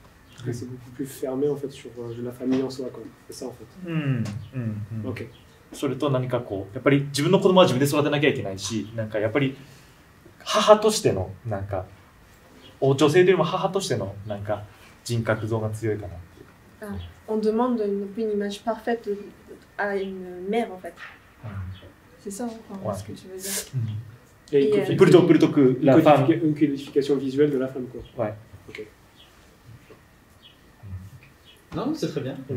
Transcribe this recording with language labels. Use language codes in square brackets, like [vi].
[fr] Parce que c'est beaucoup plus fermé en fait sur la famille en soi. C'est ça en fait. Ok. [ja] それとなんかこう、やっぱり自分の子供は自分で育てなきゃいけないし、なんかやっぱり母としての、なんか、女性よりも母としての、なんか人格像が強いかな。 [fr] On demande une opinion image parfaite à une mère en fait. C'est ça, ce que tu veux dire. Plutôt que la femme. Une qualification visuelle de la femme, quoi. Ouais. Ok. Non, c'est très bien.